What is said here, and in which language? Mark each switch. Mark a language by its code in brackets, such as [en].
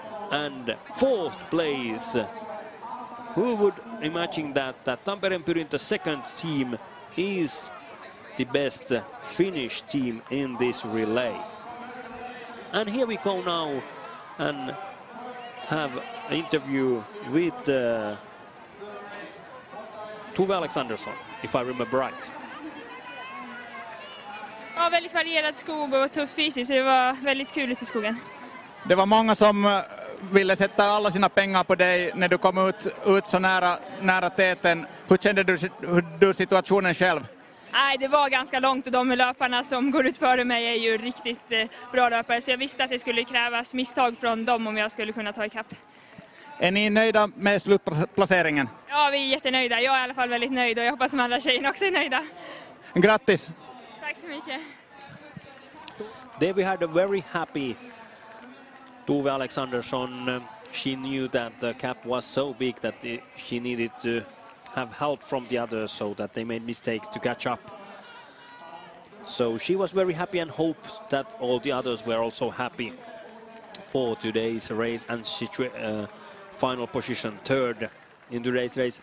[en] And fourth place. Who would imagine that Tampereen Pyrintö second team is the best Finnish team in this relay? And here we go now and have an interview with Tove Alexandersson, if I remember right. [sv] Ja, väldigt varierad skog och tuff fysiskt. Det var väldigt kul ute i skogen. Det var många som ville sätta alla sina pengar på dig när du kom ut så nära täten. Hur kände du situationen själv? Nej, det var ganska långt och de löparna som går ut före mig är ju riktigt bra löpare. Så jag visste att det skulle krävas misstag från dem om jag skulle kunna ta ikapp. Är ni nöjda med slutplaceringen? Ja, vi är jättenöjda. Jag är i alla fall väldigt nöjd och jag hoppas att andra tjejerna också är nöjda. Grattis! Tack så mycket. [en] There we had a very happy Tove Alexandersson. She knew that the cap was so big that she needed to have help from the others so that they made mistakes to catch up. So she was very happy and hoped that all the others were also happy for today's race and final position third in today's race.